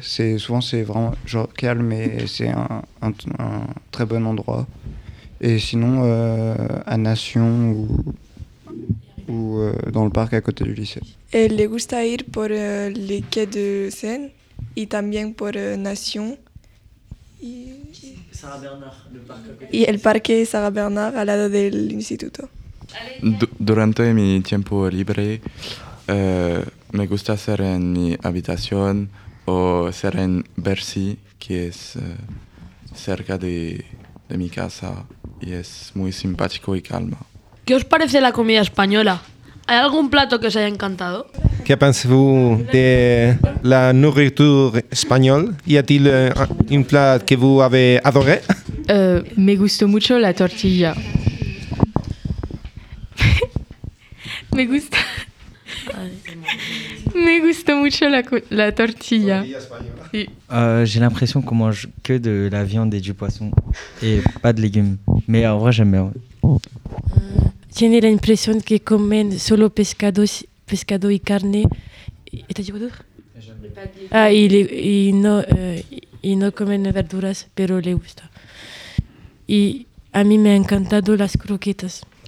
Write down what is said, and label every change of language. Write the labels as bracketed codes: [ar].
[fr] C'est vraiment genre calme et c'est un très bon endroit. Et sinon, à Nation ou dans le parc à côté du lycée. [es] Elle le gusta ir por les quais de Seine y también por Nation [fr] Sara Bernard, le parc. [es] Y el parque Sara Bernard al lado del instituto. Durante mi tiempo libre, me gusta ser en mi habitación o ser en Bercy, que es cerca de mi casa y es muy simpático y calma. ¿Qué os parece la comida española? ¿Hay algún plato que os haya encantado? ¿Qué pensáis de la nourriture española? ¿Y a ti un plato que [fr] vous avez adoré? [es] Me gustó mucho la tortilla. Me gusta. Me gusta mucho la tortilla. Sí. [fr] J'ai l'impression qu'on mange que de la viande et du poisson et pas de légumes. Mais en vrai, j'aime bien. [es] Tiene la impresión que comen solo pescado y carne. ¿Estás llegando? Ah, y no comen verduras, pero le gusta. Y a mí me han encantado las croquetas.